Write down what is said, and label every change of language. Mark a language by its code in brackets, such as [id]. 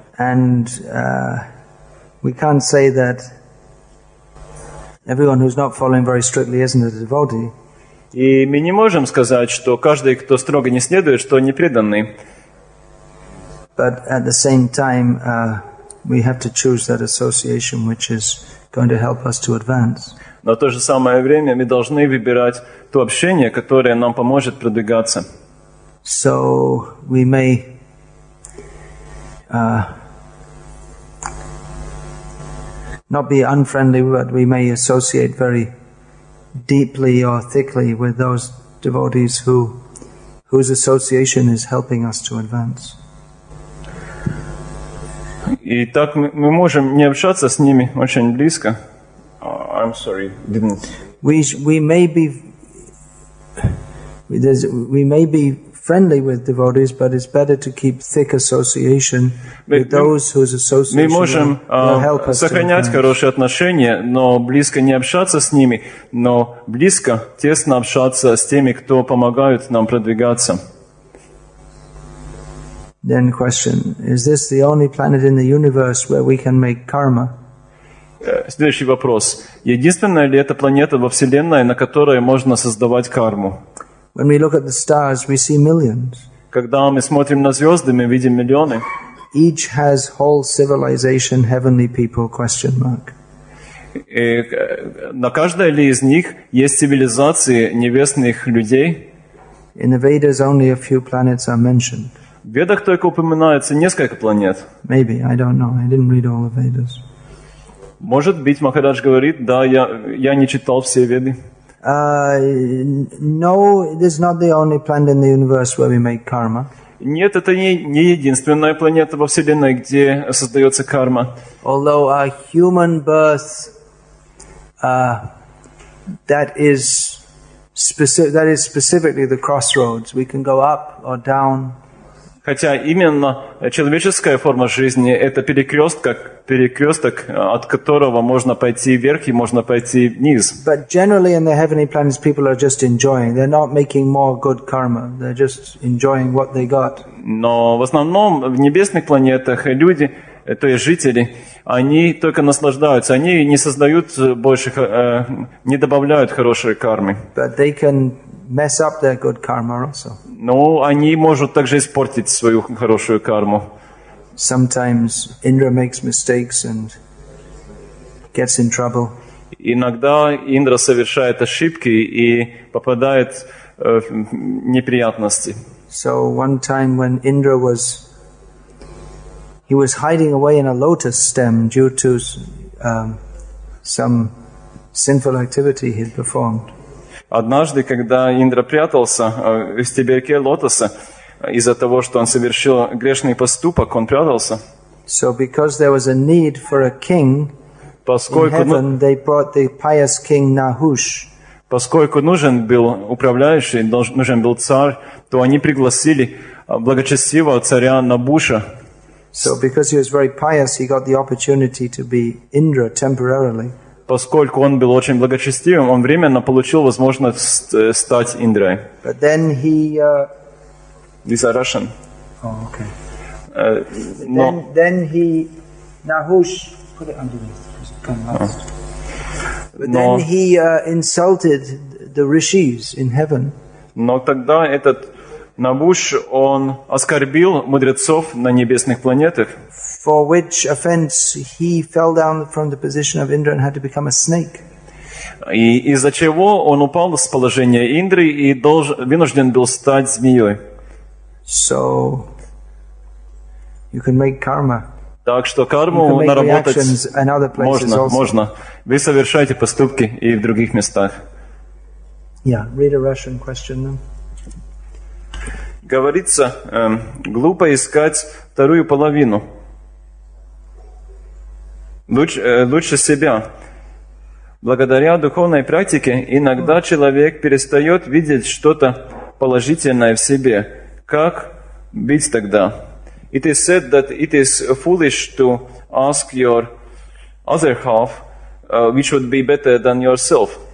[en] And we can't say that everyone who's not following very strictly isn't a devotee. [ru] И мы не можем сказать, что каждый, кто строго не следует, что не преданный. [en] But at the same time, we have to choose that association which is going to help us to advance. [ru] Но в то же самое время мы должны выбирать то общение, которое нам поможет продвигаться. [en] So we may not be unfriendly, but we may associate very deeply or thickly with those devotees whose association is helping us to advance. [ru] И так мы можем не общаться с ними очень близко. [en] I'm sorry, didn't. We may be friendly with devotees, but it's better to keep thick association with those whose association [ru] мы можем, [en] will help us [ru] сохранять хорошие отношения, но близко не общаться с ними, но близко, тесно общаться с теми, кто помогают нам продвигаться. [en] Then question: is this the only planet in the universe where we can make karma? [ru] Следующий вопрос: единственная ли это планета во Вселенной, на которой можно создавать карму? [en] When we look at the stars, we see millions. [ru] Когда мы смотрим на звезды, мы видим миллионы. [en] Each has whole civilization, heavenly people, question mark. [ru] И на каждой ли из них есть цивилизации небесных людей? [en] In the Vedas, only a few planets are mentioned. [ru] В Ведах только упоминается несколько планет. [en] Maybe, I don't know. I didn't read all the Vedas. [ru] Может быть, Махарадж говорит, да, я не читал все Веды. [en] No, it is not the only planet in the universe where we make karma. [ru] Нет, это не единственная планета во Вселенной, где создается карма. [en] Although a human birth that is specifically the crossroads, we can go up or down. [ru] Хотя именно человеческая форма жизни — это перекресток, перекресток, от которого можно пойти вверх и можно пойти вниз. [en] But generally in the heavenly planets people are just enjoying. They're not making more good karma. They're just enjoying what they got. [ru] Но в основном в небесных планетах люди, то есть жители, они только наслаждаются. Они не создают больше, не добавляют хорошие кармы. [en] But they can mess up their good karma also. [ru] Но они могут также испортить свою хорошую карму. [en] Sometimes Indra makes mistakes and gets in trouble. [ru] Иногда Индра совершает ошибки и попадает в неприятности. [en] So one time when Indra was, he was hiding away in a lotus stem due to some sinful activity he had performed. [ru] Однажды, когда Индра прятался в стеблях лотоса, из-за того, что он совершил грешный поступок, он прятался. [en] So because there was a need for a king, [ru] поскольку, [en] in heaven, they brought the pious king Nahush. [ru] Поскольку нужен был управляющий, нужен был царь, то они пригласили благочестивого царя Набуша. [en] So because he was very pious, he got the opportunity to be Indra temporarily. [ru] Поскольку он был очень благочестивым, он временно получил возможность стать Индрой. [en] But then he, these are Russian. Oh, okay. Then he, Nahush, put it underneath. Come last. But then he insulted the rishis in heaven. [ru] Но тогда этот Набуш, он оскорбил мудрецов на небесных планетах. [en] For which offense he fell down from the position of Indra and had to become a snake. [ru] И из-за чего он упал с положения Индры и вынужден был стать змеей. [en] So you can make karma. [ru] Так что карму наработать можно. Вы совершаете поступки и в других местах. [en] Yeah, read a Russian question then. [ru] Говорится, глупо искать вторую половину. Лучше себя. Благодаря духовной практике иногда человек перестает видеть что-то положительное в себе. Как быть тогда? [en] It is said that it is foolish to ask your other half, which would be better than yourself.